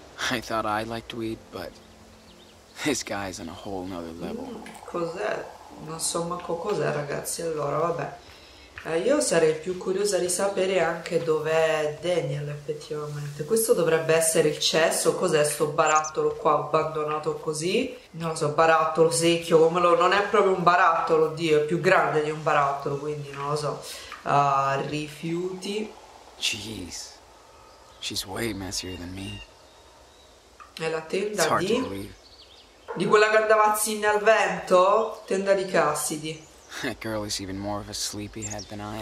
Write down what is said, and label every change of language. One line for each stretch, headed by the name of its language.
English: I thought I liked weed, but this guy's on a whole nother level.
Italian: Cos'è? Non so manco cos'è, ragazzi. Allora, vabbè. Io sarei più curiosa di sapere anche dov'è Daniel, effettivamente. Questo dovrebbe essere il cesso. Cos'è sto barattolo qua abbandonato così? Non lo so, barattolo, secchio, come lo... Non è proprio un barattolo, oddio, è più grande di un barattolo, quindi non lo so. Rifiuti.
English: Jeez. She's way messier than me.
Italian: È la tenda di... Di quella che andava a zinne al vento? Tenda di Cassidy.
English: That girl is even more of a sleepyhead than I am.